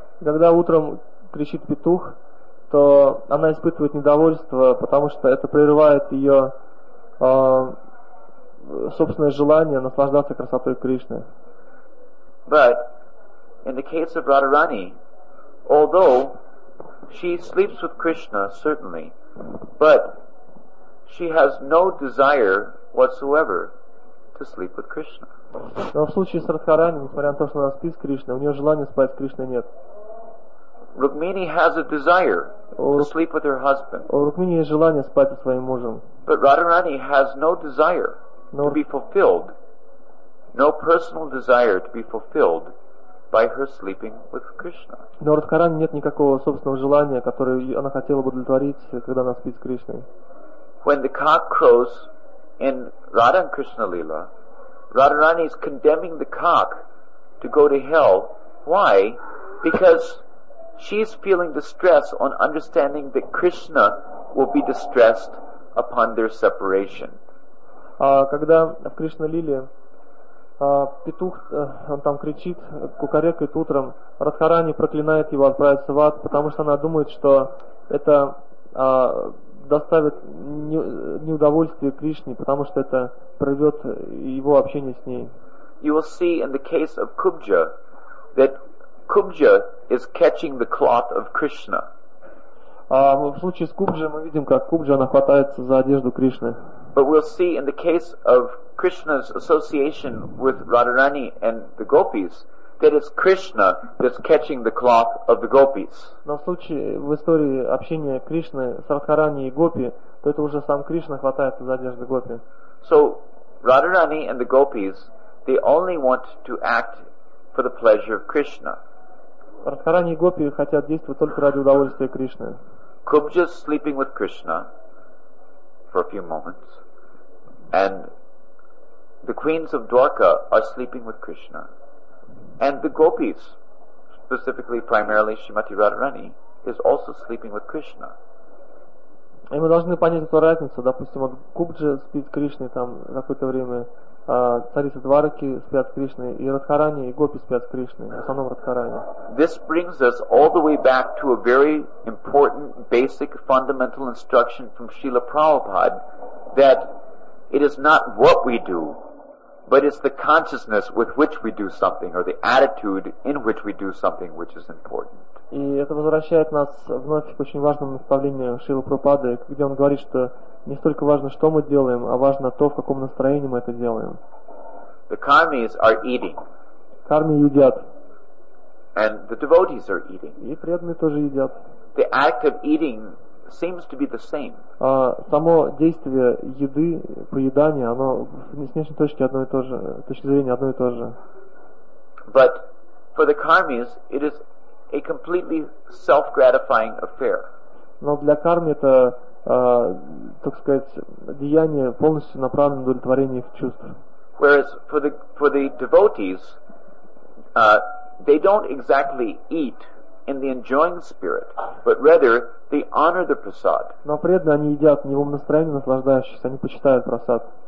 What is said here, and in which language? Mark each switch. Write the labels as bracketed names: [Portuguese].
[Russian] Когда утром кричит петух, то она испытывает недовольство, потому что это прерывает ее собственное желание наслаждаться красотой Кришны. [English] But in the case of Radharani, although she sleeps with Krishna, certainly, but she has no desire whatsoever to sleep with Krishna. [Russian] Но в случае с Радхарани, несмотря на то, что она спит с Кришной, у нее желания спать с Кришной нет. [English] Rukmini has a desire to sleep with her husband. [Russian] У Рукмини есть желание спать со своим мужем. [English] But Radharani has no desire to be fulfilled, no personal desire to be fulfilled by her sleeping with Krishna. [Russian] Но у Радхарани нет никакого собственного желания, которое она хотела бы удовлетворить, когда она спит с Кришной. [English] When the cock crows in Radha and Krishna Lila, Radharani is condemning the cock to go to hell. Why? Because she's feeling distress on understanding that Krishna will be distressed upon their separation. [Russian] Когда в Кришна Лиле петух, он там кричит, кукарекает утром, Радхарани проклинает его, отправится в ад, потому что она думает, что это доставит неудовольствие Кришне, потому что это прервет его общение с ней. [English] You will see in the case of Kubja that Kubja is catching the cloth of Krishna. [Russian] В случае с Кубджей мы видим, как Кубджа, она хватается за одежду Кришны. [English] But we'll see in the case of Krishna's association with Radharani and the gopis that it's Krishna that's catching the cloth of the gopis. [Russian] Но в случае в истории общения Кришны с Радхарани и гопи, то это уже сам Кришна хватается за одежду гопи. [English] So Radharani and the gopis, they only want to act for the pleasure of Krishna. [Russian] Радхарани и гопи хотят действовать только ради удовольствия Кришны. [English] Kubja is sleeping with Krishna for a few moments, and the queens of Dwarka are sleeping with Krishna, and the gopis, specifically, primarily Shrimati Radharani, is also sleeping with Krishna. [Russian] И мы должны понять эту разницу. Допустим, вот Кубджа спит с Кришной там какое-то время, царица Двараки спят с Кришной, и Радхарани и гопи спят с Кришной, в основном Радхарани. [English] This brings us all the way back to a very important, basic, fundamental instruction from Srila Prabhupada that it is not what we do, but it's the consciousness with which we do something, or the attitude in which we do something, which is important. [Russian] И это возвращает нас вновь к очень важному наставлению Шрилы Прабхупады, где он говорит, что не столько важно, что мы делаем, а важно то, в каком настроении мы это делаем. [English] The karmis are eating. [Russian] Карми едят. [English] And the devotees are eating. [Russian] И преданные тоже едят. [English] The act of eating seems to be the same. [Russian] Само действие еды, поедания, оно с внешней точки одно и то же, с точки зрения одно и то же. [English] But for the karmis, it is a completely self-gratifying affair. [Russian] Но для карми это, так сказать, деяние полностью направлено на удовлетворение их чувств. [English] Whereas for the devotees, they don't exactly eat in the enjoying spirit, but rather they honor the prasad. [Russian] Но преданные они едят не в настроении наслаждающихся, они почитают прасад.